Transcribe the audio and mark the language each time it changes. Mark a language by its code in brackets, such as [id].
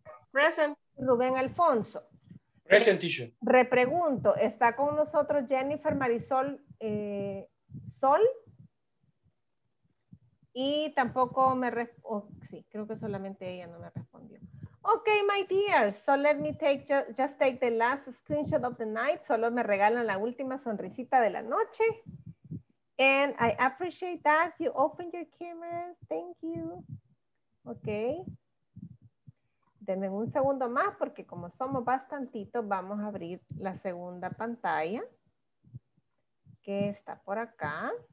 [en] Present. Rubén Alfonso. Present, teacher. [es] Repregunto, ¿está con nosotros Jennifer Marisol Sol? Y tampoco me respondió. Oh, sí, creo que solamente ella no me respondió. [en] Ok, my dear, so let me take just take the last screenshot of the night. [es] Solo me regalan la última sonrisita de la noche. [en] And I appreciate that you opened your camera. Thank you. Ok. [es] Denme un segundo más porque como somos bastantitos, vamos a abrir la segunda pantalla que está por acá.